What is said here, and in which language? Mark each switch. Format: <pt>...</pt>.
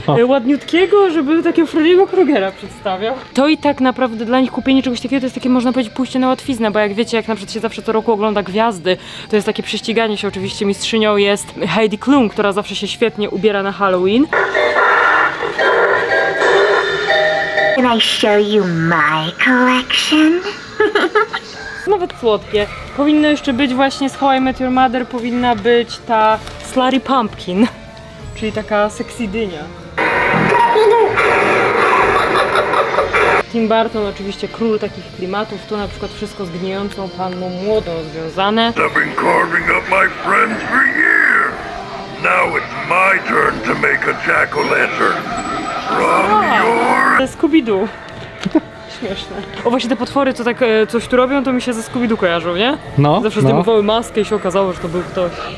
<pl>Ładniutkiego, żeby takiego Freddy'ego Krugera przedstawiał. To i tak naprawdę dla nich kupienie czegoś takiego to jest takie, można powiedzieć, pójście na łatwiznę, bo jak wiecie, jak na przykład się zawsze co roku ogląda Gwiazdy, to jest takie prześciganie się, oczywiście mistrzynią jest Heidi Klum, która zawsze się świetnie ubiera na Halloween.</pl> <en>Can I show you my collection?</en> <pl>Nawet słodkie. Powinno jeszcze być właśnie z How I Met Your Mother, powinna być ta Slutty Pumpkin, czyli taka sexy dynia. Tim Burton oczywiście król takich klimatów, to na przykład wszystko z gnijącą panną młodą związane.</pl> <en>I've been carving up my friends for years. Now it's my turn to make a jack-o'-lantern from your...</en> <pl>Scooby-Doo. Śmieszne. O właśnie te potwory, co tak coś tu robią, to mi się ze Scooby-Doo kojarzą, nie? No, zawsze no. Zdejmowały maskę i się okazało, że to był ktoś.</pl>